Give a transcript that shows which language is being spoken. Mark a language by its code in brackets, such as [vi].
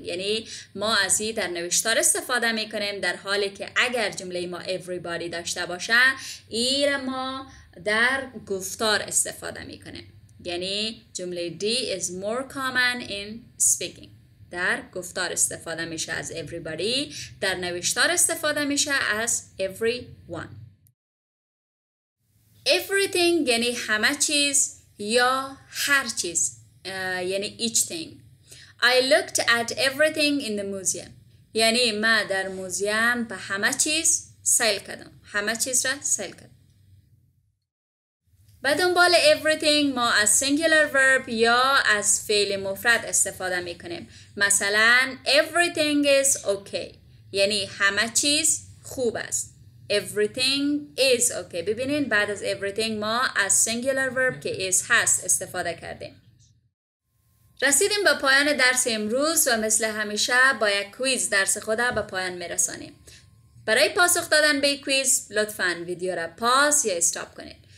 [fa] یعنی ما از ای در نوشتار استفاده می کنیم، در حالی که اگر جمله ما everybody داشته باشه ای را ما در گفتار استفاده می کنیم. یعنی جمله دی [en] is more common in speaking. [fa] در گفتار استفاده می شه از everybody، در نوشتار استفاده می شه از everyone. Everything یعنی همه چیز یا هر چیز، یعنی each thing. [en] I looked at everything in the museum. [fa] یعنی ما در موزیم به همه چیز سیل کردم. همه چیز را سیل کردم. به دنبال everything ما از singular verb یا از فعل مفرد استفاده می کنیم. مثلا [en] everything is okay. [fa] یعنی همه چیز خوب است. [en] Everything is okay. [fa] ببینین بعد از everything ما از singular verb که is هست استفاده کردیم. رسیدیم به پایان درس امروز و مثل همیشه با یک کویز درس خود را به پایان میرسانیم. برای پاسخ دادن به کویز لطفاً ویدیو را پاس یا استاپ کنید.